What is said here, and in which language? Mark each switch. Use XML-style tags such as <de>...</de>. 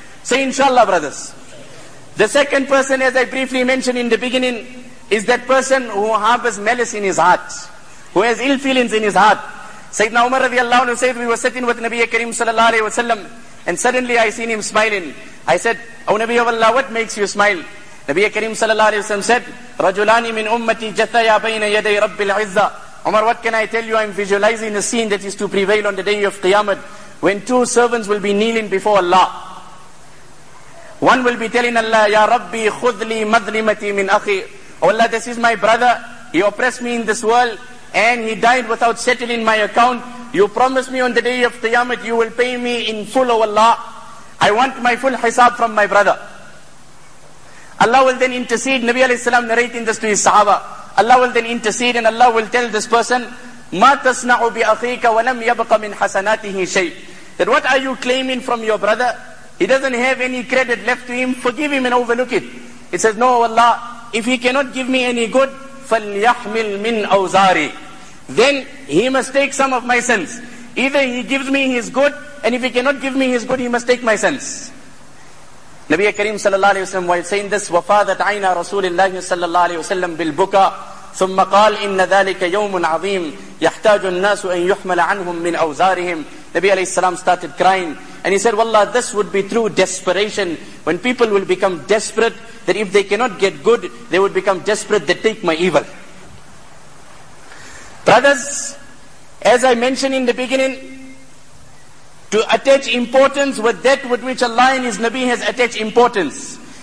<en>Say inshallah, brothers. The second person, as I briefly mentioned in the beginning, is that person who harbors malice in his heart, who has ill feelings in his heart. Sayyidina Umar radiallahu anhu said, we were sitting with Nabiya Kareem sallallahu alayhi wa sallam, and suddenly I seen him smiling. I said, O Nabi of Allah, what makes you smile? Nabiya Kareem sallallahu alayhi wa sallam said,</en> <ar>رَجُلَانِ مِنْ أُمَّتِي جَثَيَا بَيْنَ يَدَيْ رَبِّ الْعِزَّةِ.</ar> <en>Umar, what can I tell you? I'm visualizing a scene that is to prevail on the day of Qiyamah, when two servants will be kneeling before Allah. One will be telling Allah,</en> <ar>يَا رَبِّي خُذْ لِي مَظْلِمَتِي مِنْ أَخِي.</ar> <en>Oh Allah, this is my brother. He oppressed me in this world, and he died without settling my account. You promised me on the day of Qiyamah, you will pay me in full, O Allah. I want my full hisab from my brother. Allah will then intercede. Nabi alayhi salam narrating this to his sahaba. Allah will then intercede and Allah will tell this person,</en> <ar>مَا تَصْنَعُ بِأَخِيكَ وَلَمْ يَبْقَ مِنْ حَسَنَاتِهِ شَيْءٍ.</ar> <en>That what are you claiming from your brother? He doesn't have any credit left to him. Forgive him and overlook it. He says, no, Allah, if he cannot give me any good,</en> <ar>فَلْيَحْمِلْ مِنْ أَوْزَارِ.</ar> <en>Then he must take some of my sins. Either he gives me his good, and if he cannot give me his good, he must take my sins. Nabi Kareem sallallahu alayhi wa sallam, while saying this,</en> <ar>وَفَاذَتْ عَيْنَا رَسُولِ اللَّهِ صَلَّى اللَّهِ عَلَيْهِ وَسَلَّمْ بِالْبُكَى ثُمَّ قَالْ إِنَّ ذَلِكَ يَوْمٌ عَظِيمٌ يَحْتَاجُ النَّاسُ أَن يُحْمَلَ عَنْهُمْ مِنْ أَوْزَارِهِمْ.</ar> <en>Nabi alayhi salam started crying. And he said, wallah, this would be true desperation. When people will become desperate, that if they cannot get good, they would become desperate, they take my evil. Brothers, as I mentioned in the beginning, to attach importance with that with which Allah and His Nabi has attached importance.</en>